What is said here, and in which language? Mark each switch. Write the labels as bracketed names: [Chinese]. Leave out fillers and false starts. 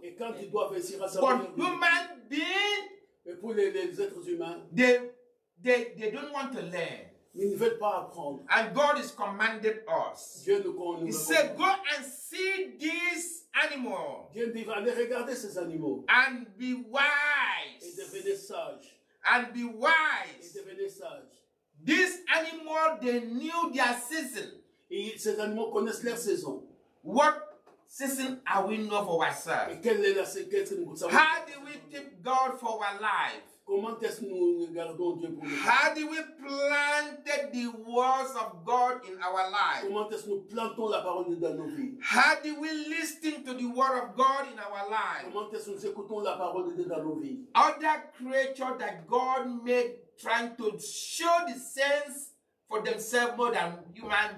[French] Et quand ils doivent ainsi rassembler. [English] But human being. [French] Et pour les êtres humains. [English] They don't want to learn. [French] Ils ne veulent pas apprendre. [English] And God has commanded us. [French] Dieu nous commande. [English] He said, go and see this animal. [French] Dieu dit, allez regarder ces animaux. [English] And be wise. [French] Et devenez sage. [English] And be wise. [French] Et devenez sage. [English] These animals, they knew their season. [French] Et ces animaux connaissent leur saison. [English] What season are we not for ourselves? [French] Et quelle est la saison pour ça? [English] How do we keep God for our life? [French] Comment est-ce nous gardons Dieu pour nous? [English] How do we plant the words of God in our life? [French] Comment est-ce nous plantons la parole de Dieu dans nos vies? [English] How do we listen to the word of God in our life? [French] Comment est-ce nous écoutons la parole de Dieu dans nos vies? [English] Other creatures that God made trying to show the sense for themselves more than human